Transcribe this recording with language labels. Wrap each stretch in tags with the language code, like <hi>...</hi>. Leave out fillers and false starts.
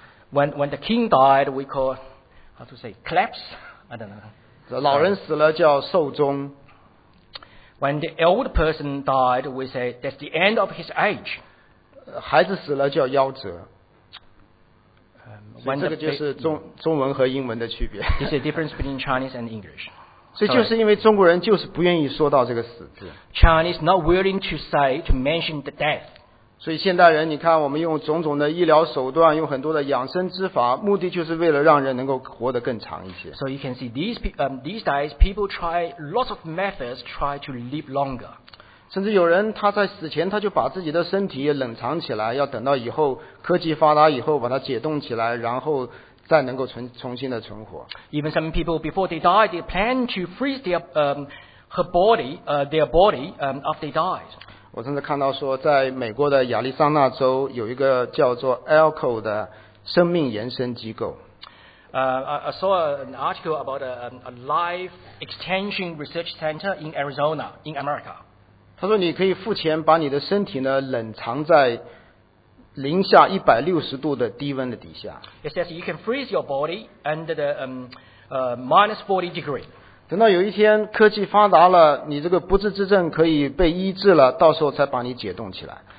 <en>When the king died, we call how to say collapse. I don't know.</en> <zh>老人死了叫寿终。</zh> <en>When the old person died, we say that's the end of his age.</en> <zh>孩子死了叫夭折。</zh> <en>When</en> <zh>这个就是中文和英文的区别。</zh> <en>It's a difference between Chinese and English.</en> <zh>所以就是因为中国人就是不愿意说到这个死字。</zh> <en>Chinese not willing to mention the death.</en> <zh>所以现代人你看我们用种种的医疗手段，用很多的养生之法，目的就是为了让人能够活得更长一些。</zh> <en>So you can see these days people try lots of methods try to live longer.</en> <zh>甚至有人他在死前他就把自己的身体冷藏起来，要等到以后科技发达以后把它解冻起来，然后再能够重新的存活。</zh> <en>Even some people before they die they plan to freeze their body after they died.</en> <zh>我甚至看到说在美国的亚利桑那州有一个叫做 ELCO 的生命延伸机构。</zh> <en>I saw an article about a life extension research center in Arizona, in America.</en> <zh>他说你可以付钱把你的身体呢冷藏在零下160度的低温的底下。</zh> <en>It says you can freeze your body under the minus 40 degree.</en> <zh>等到有一天科技发达了，你这个不治之症可以被医治了，到时候才把你解冻起来。</zh>